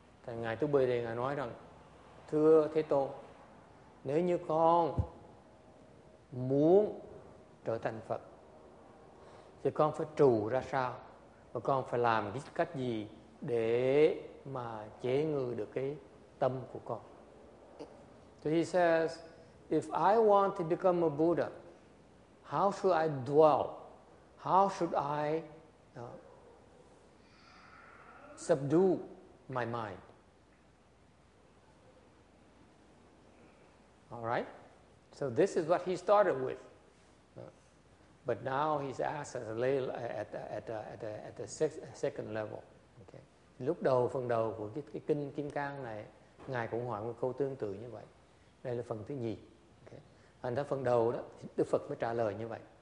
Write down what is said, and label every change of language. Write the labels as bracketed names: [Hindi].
[Vietnamese] Thì Ngài Tu Bồ Đề Ngài nói rằng, thưa Thế Tôn, nếu như con muốn trở thành Phật, thì con phải trụ ra sao? Và con phải làm cái cách gì để mà chế ngự được cái tâm của con? [English] So he says, if I want to become a Buddha, how should I dwell? How should I subdue my mind? All right? So this is what he started with. But now he's asked as a lay at the second level. Okay. [Vietnamese] Lúc đầu phần đầu của cái kinh Kim Cang này, ngài cũng hỏi một câu tương tự như vậy. Đây là phần thứ nhì. Okay. Thành ra phần đầu đó Đức Phật mới trả lời như vậy.